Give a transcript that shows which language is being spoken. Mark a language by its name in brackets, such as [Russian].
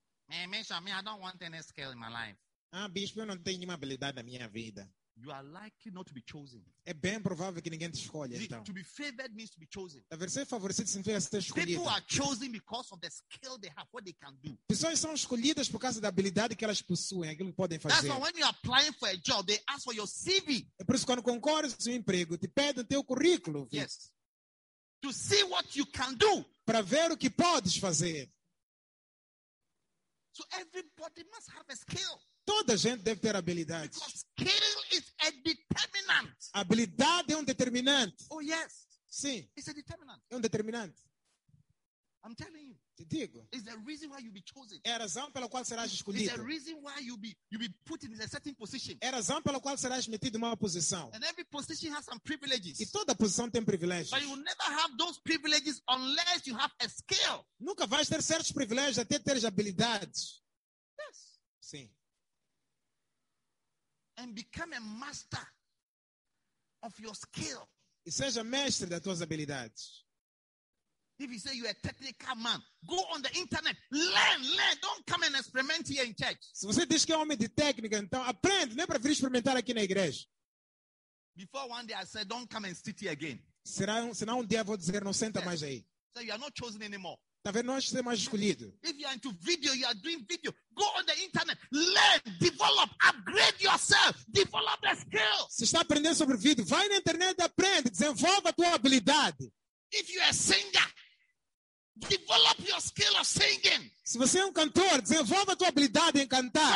[English] I don't want any skill in my life. [Portuguese] Ah, bispo, eu não tenho nenhuma habilidade na minha vida. [English] You are likely not to be chosen. [Portuguese] É bem provável que ninguém te escolha, então. [English] To be favored means to be chosen. [Portuguese] Deve ser favorecido significa ser escolhido. [English] People are chosen because of the skill they have, what they can do. [Portuguese] Pessoas são escolhidas por causa da habilidade que elas possuem, aquilo que podem fazer. [English] That's why when you're applying for a job, they ask for your CV. [Portuguese] É por isso que quando concorres ao emprego, te pedem teu currículo. Viu? [English] Yes. To see what you can do. [Portuguese] Para ver o que podes fazer. [English] So everybody must have a skill. [Portuguese] Toda gente deve ter habilidade. [English] Because skill is a determinant. [Portuguese] Habilidade é determinante. [English] Oh, yes. [Portuguese] Sim. [English] It's a determinant. [Portuguese] É determinante. [English] I'm telling you. [Portuguese] Te digo. [English] It's the reason why you'll be chosen. [Portuguese] É a razão pela qual serás escolhido. [English] It's the reason why you'll be put in a certain position. [Portuguese] É a razão pela qual serás metido em uma posição. [English] And every position has some privileges. [Portuguese] E toda posição tem privilégios. [English] But you will never have those privileges unless you have a skill. [Portuguese] Nunca vais ter certos privilégios até teres habilidades. [English] Yes. [Portuguese] Sim. [English] And become a master of your skill. [Portuguese] E seja mestre das tuas habilidades. [English] If you say you're a technical man, go on the internet, learn. Don't come and experiment here in church. [Portuguese] Se você diz que é homem de técnica, então aprende. Não é para vir experimentar aqui na igreja. [English] Before one day I said, don't come and sit here again. [Portuguese] Senão dia vou dizer, não senta mais aí. [English] So you are not chosen anymore. [Portuguese] Talvez não seja mais escolhido. [English] If you are into video, you are doing video. Go on the internet, learn, develop, upgrade yourself, develop the skill. [Portuguese] Se está aprendendo sobre vídeo, vai na internet, aprende, desenvolva a tua habilidade. [English] If you are a singer, develop your skill of singing. [Portuguese] Se você é cantor, desenvolva a tua habilidade em cantar.